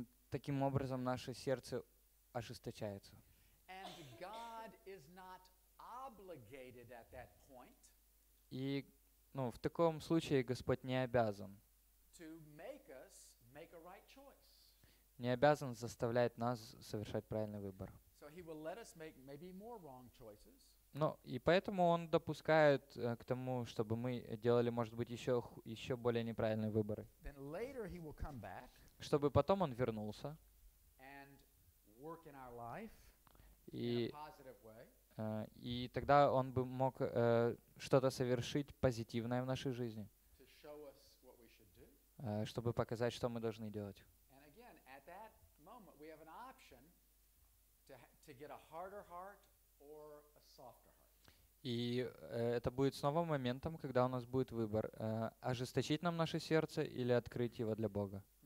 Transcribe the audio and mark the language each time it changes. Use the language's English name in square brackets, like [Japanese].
[Russian] Таким образом, наше сердце ожесточается. [English] And God is not obligated at that point. [Russian] И, ну, в таком случае Господь не обязан. [English] To make us make a right choice. [Russian] Не обязан заставлять нас совершать правильный выбор. [English] So he will let us make maybe more wrong choices. [Russian] Ну, и поэтому он допускает к тому, чтобы мы делали, может быть, еще более неправильные выборы. [English] Then later he will come back, [Russian] чтобы потом он вернулся [English] and work in our life [Russian] и, [English] in a positive way. [Russian] И тогда он бы мог что-то совершить позитивное в нашей жизни, [English] to show us what we should do. [Russian] Чтобы показать, что мы должны делать. [English] And again, at that moment we have an option to get a harder heart or [Russian] И это будет снова моментом, когда у нас будет выбор, ожесточить нам наше сердце или открыть его для Бога.